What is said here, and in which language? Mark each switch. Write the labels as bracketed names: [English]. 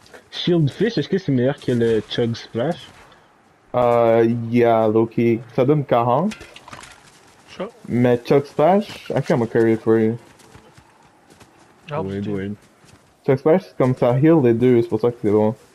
[French] Shield Fish, est-ce que c'est meilleur que le Chug Splash? Yeah, Loki. Ça donne 40. [English] Sure. Mais Chug Splash, I think I'm gonna carry it for you. Wait. [French] Chug Splash, c'est comme ça heal les deux, c'est pour ça que c'est bon.